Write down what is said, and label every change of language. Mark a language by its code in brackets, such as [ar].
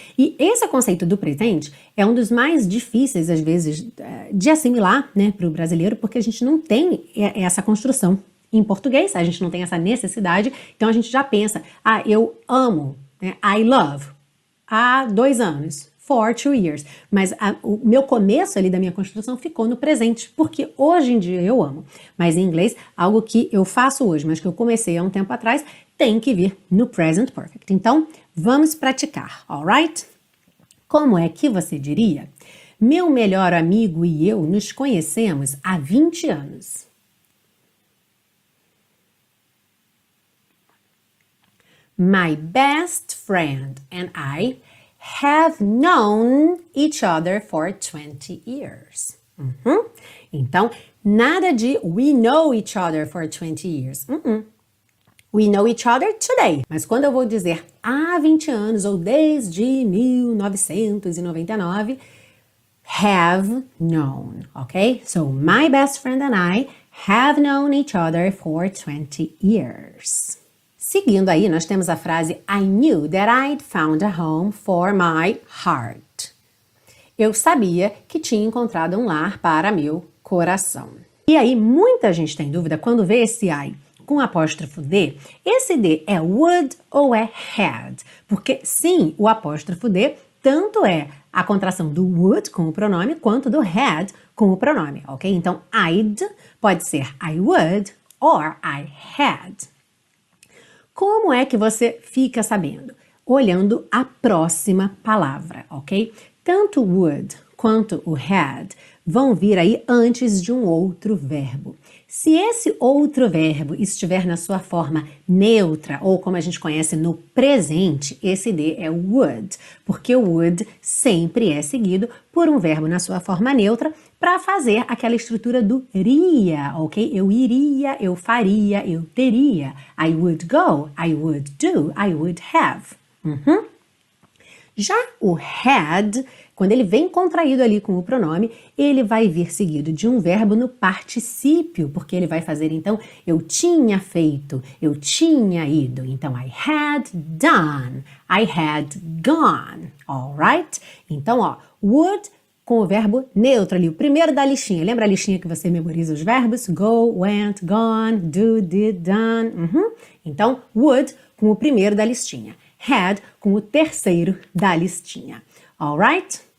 [pt] E esse conceito do presente é um dos mais difíceis, às vezes, de assimilar, né, para o brasileiro, porque a gente não tem essa construção em português, a gente não tem essa necessidade, então a gente já pensa, ah, eu amo, né, I love, há dois anos, for two years, mas o meu começo ali da minha construção ficou no presente, porque hoje em dia eu amo, mas em inglês, algo que eu faço hoje, mas que eu comecei há um tempo atrás, tem que vir no present perfect. Então, vamos praticar, alright? Como é que você diria? Meu melhor amigo e eu nos conhecemos há 20 anos. [en] My best friend and I have known each other for 20 years. Uhum. Então, nada de we know each other for 20 years. Uhum. We know each other today. [pt] Mas quando eu vou dizer há 20 anos ou desde 1999, have known, ok? [en] So, my best friend and I have known each other for 20 years. Seguindo aí, nós temos a frase I knew that I'd found a home for my heart. [pt] Eu sabia que tinha encontrado um lar para meu coração. E aí, muita gente tem dúvida quando vê esse I com apóstrofo D. Esse D é would ou é had? Porque sim, o apóstrofo D tanto é a contração do would com o pronome quanto do had com o pronome, ok? [en] Então, I'd pode ser I would or I had. [pt] Como é que você fica sabendo? Olhando a próxima palavra, ok? Tanto would quanto o had vão vir aí antes de um outro verbo. Se esse outro verbo estiver na sua forma neutra, ou como a gente conhece no presente, esse D é would, porque o would sempre é seguido por um verbo na sua forma neutra para fazer aquela estrutura do iria, ok? Eu iria, eu faria, eu teria. [en] I would go, I would do, I would have. Uhum. [pt] Já o had, quando ele vem contraído ali com o pronome, ele vai vir seguido de um verbo no particípio, porque ele vai fazer, então, eu tinha feito, eu tinha ido. [en] Então, I had done, I had gone, alright? [pt] Então, ó, would com o verbo neutro ali, o primeiro da listinha. Lembra a listinha que você memoriza os verbos? Go, went, gone, do, did, done. Uhum. Então, would com o primeiro da listinha. Had com o terceiro da listinha. Alright?